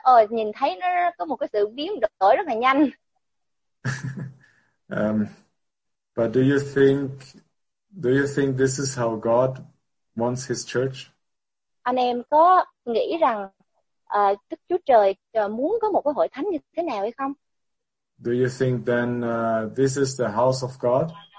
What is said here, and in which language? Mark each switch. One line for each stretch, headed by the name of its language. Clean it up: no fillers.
Vietnamese: nhìn thấy nó có một cái sự biến đổi rất là nhanh.
English: But do you think this is how God wants his church?
Vietnamese: Anh em có nghĩ rằng Đức Chúa Trời muốn có một cái hội thánh như thế nào hay không?
English: Do you think then this is the house of God?